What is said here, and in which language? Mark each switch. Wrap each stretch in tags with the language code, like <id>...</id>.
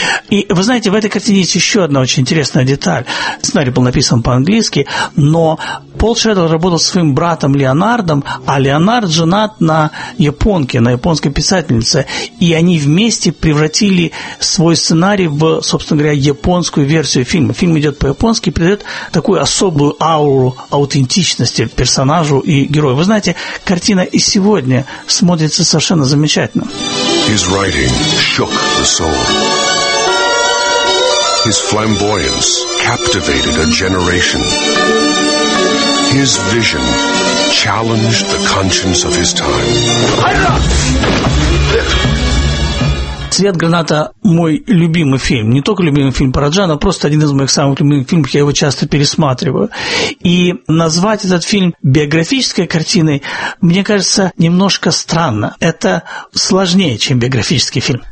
<ru>И вы знаете, в этой картине есть еще одна очень интересная деталь. Сценарий был написан по-английски, но Пол Шредер работал со своим братом Леонардом, а Леонард женат на японке, на японской писательнице, и они вместе превратили свой сценарий в, собственно говоря, японскую версию фильма. Фильм идет по-японски и придает такую особую ауру аутентичности персонажу и герою. Вы знаете, картина и сегодня смотрится совершенно замечательно.</ru> <en>His writing shook the soul. His flamboyance captivated a generation. His vision challenged the conscience of his time.</en> <ru>«Цвет граната» – мой любимый фильм. Не только любимый фильм Параджана, но просто один из моих самых любимых фильмов, я его часто пересматриваю. И назвать этот фильм биографической картиной, мне кажется, немножко странно. Это сложнее, чем биографический фильм.</ru>